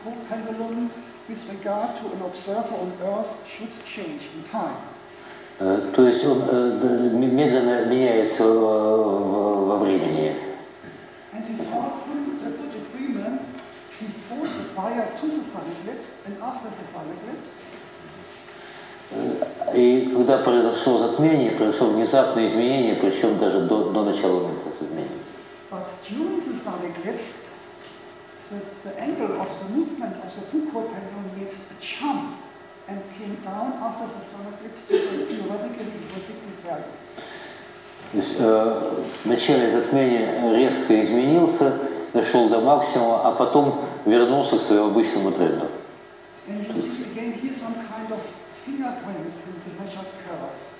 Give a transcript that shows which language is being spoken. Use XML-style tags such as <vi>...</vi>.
<en>With regard to an observer on Earth, should change in time.</en> <ru>То есть он медленно меняется во времени.</ru> <en>And he found a good agreement before the prior to the sun eclipse and after the sun eclipse.</en> <ru>И когда произошло затмение, произошло внезапное изменение, причем даже до начала момента затмения.</ru> <en>But during the sun eclipse, the angle of the movement of the Foucault pendulum made a jump and came down after the sun eclipse to the theoretically predicted value.</en> <ru>В начале затмения резко изменился, дошел до максимума, а потом вернулся к своему обычному тренду.</ru> <en>And you see again here some kind of fingerprints in the measured curve.</en>